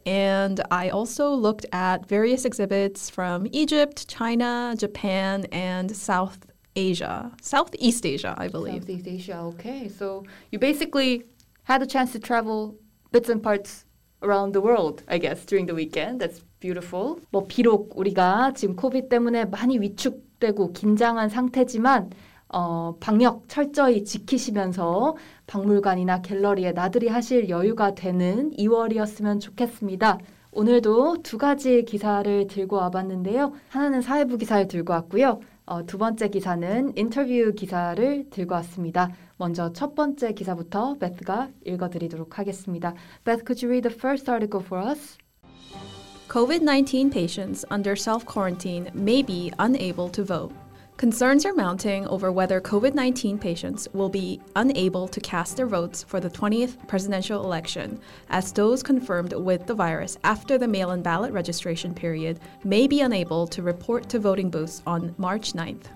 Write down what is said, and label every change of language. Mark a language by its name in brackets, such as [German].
[English] And I also looked at various exhibits from Egypt, China, Japan, and Southeast Asia, I believe. Southeast Asia, okay. So you basically had a chance to travel bits and parts around the world, I guess, during the weekend. That's beautiful. [Korean] 뭐 비록 우리가 지금 코비 때문에 많이 위축되고 긴장한 상태지만 방역 철저히 지키시면서 박물관이나 갤러리에 나들이 하실 여유가 되는 2월이었으면 좋겠습니다. 오늘도 두 가지 기사를 들고 와봤는데요. 하나는 사회부 기사를 들고 왔고요. 두 번째 기사는 인터뷰 기사를 들고 왔습니다. 먼저 첫 번째 기사부터 베스가 읽어드리도록 하겠습니다. [English] Beth, could you read the first article for us? COVID-19 patients under self-quarantine may be unable to vote. Concerns are mounting over whether COVID-19 patients will be unable to cast their votes for the 20th presidential election, as those confirmed with the virus after the mail-in ballot registration period may be unable to report to voting booths on March 9th.